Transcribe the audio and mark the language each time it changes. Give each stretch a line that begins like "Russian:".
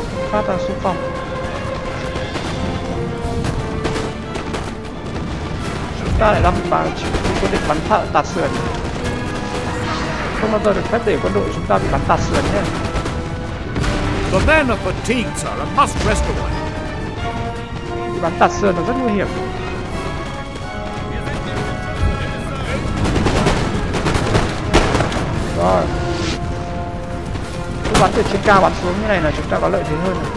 Vietnamese: Phát ra xuống phòng. Chúng ta lại làm bà quyết định bắn thợ tạt sườn. Không bao giờ được phép để quân đội chúng ta bị bắn tạt sườn nhé.
English: The men are fatigued, sir, and must rest a while.
Vietnamese: Bị bắn tạt sườn là rất nguy hiểm. Rồi. Cứ bắn từ trên cao bắn xuống như này là chúng ta có lợi thế hơn.